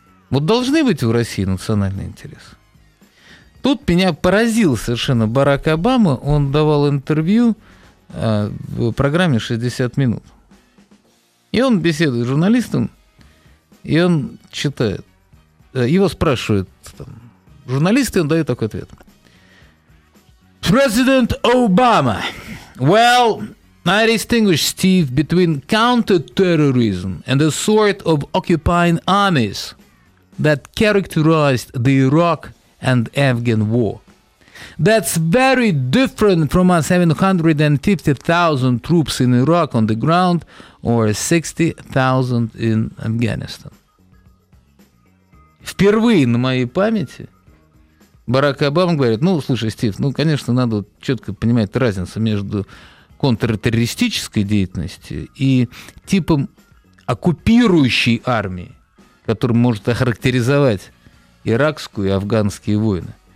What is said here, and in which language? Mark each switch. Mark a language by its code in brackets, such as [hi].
[ru] Вот должны быть в России национальные интересы. Тут меня поразил совершенно Барак Обама. Он давал интервью в программе «60 минут». И он беседует с журналистом, и он читает. Его спрашивают там журналисты, и он дает такой ответ. [en] «President Obama, well, I distinguish, Steve, between counter-terrorism and a sort of occupying armies that characterized the Iraq and Afghan war. That's very different from our 750,000 troops in Iraq on the ground or 60,000 in Afghanistan. [ru] Впервые на моей памяти Барак Обама говорит, ну, слушай, Стив, ну, конечно, надо вот четко понимать разницу между контртеррористической деятельностью и типом оккупирующей армии, которым может охарактеризовать иракскую и афганские войны.